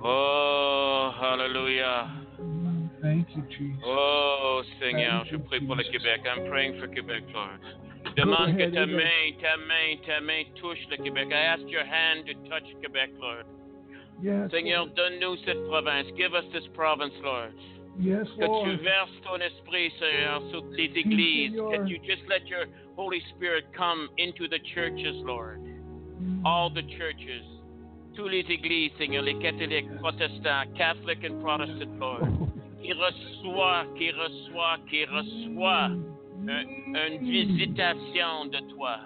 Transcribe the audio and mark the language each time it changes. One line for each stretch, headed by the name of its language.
English: Oh, hallelujah. Thank you, Jesus.
French: Oh, Seigneur, je prie pour le Québec.
English: I'm praying for Quebec, Lord.
French: Demande que ta main touche le Québec.
English: I ask your hand to touch Quebec, Lord. Yes,
French: Seigneur, donne-nous cette province.
English: Give us this province, Lord. Yes,
French: que
English: Lord.
French: Que tu verses ton esprit, Seigneur, sur les églises.
English: Can you just let your Holy Spirit come into the churches, Lord. All the churches.
French: Tous les églises, Seigneur, les catholiques, protestants, catholiques
English: and protestant, Lord.
French: qui reçoit. Une visitation de toi.